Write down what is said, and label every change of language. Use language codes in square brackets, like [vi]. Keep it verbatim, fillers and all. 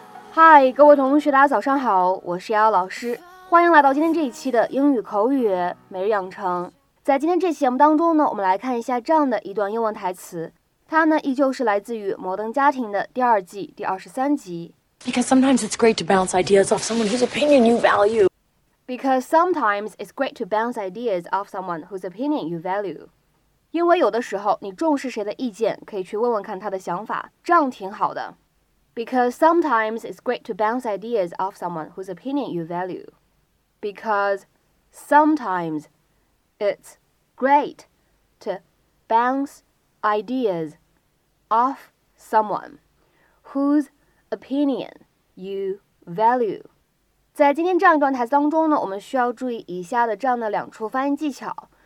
[zh] 嗨，各位同学，大家早上好，我是瑶瑶老师，欢迎来到今天这一期的英语口语每日养成。在今天这期节目当中呢，我们来看一下这样的一段英文台词，它呢依旧是来自于《摩登家庭》的第二季第二十三集。 [en] Because sometimes it's great to bounce ideas off someone whose opinion you value. Because sometimes it's great to bounce ideas off someone whose opinion you value. [zh] 因为有的时候你重视谁的意见，可以去问问看他的想法，这样挺好的。 [en] Because sometimes it's great to bounce ideas off someone whose opinion you value. Because sometimes it's great to bounce ideas off someone whose opinion you value. [zh] 在今天这样一段台词当中呢，我们需要注意以下的这样的两处发音技巧。